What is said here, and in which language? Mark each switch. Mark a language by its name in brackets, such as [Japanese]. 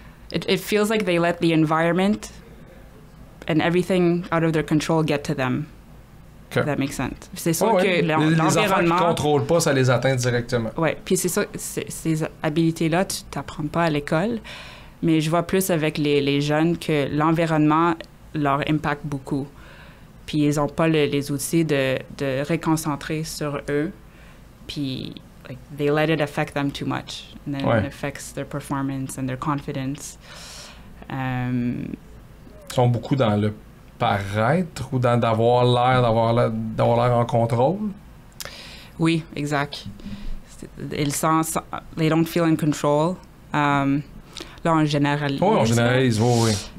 [English] It feels like they let the environment and everything out of their control get to them. Okay. [French] That makes sense. C'est sûr que l'environnement. Les affaires qu'ils contrôlent pas, ça les atteint directement. Ouais. Puis c'est ça, ces habiletés là, tu t'apprends pas à l'école. Mais je vois plus avec les jeunes que l'environnement leur impacte beaucoup. Puis ils n'ont pas les outils de reconcentrer sur eux. [English] Puis, like, they let it affect them too much. And then it affects their performance and their confidence. [French] Ils sont beaucoup dans le paraître ou dans d'avoir l'air en contrôle? [English] Oui, exact. Ils sentent, they don't feel in control. [French] Là, on généralise. Oui, on généralise, oui.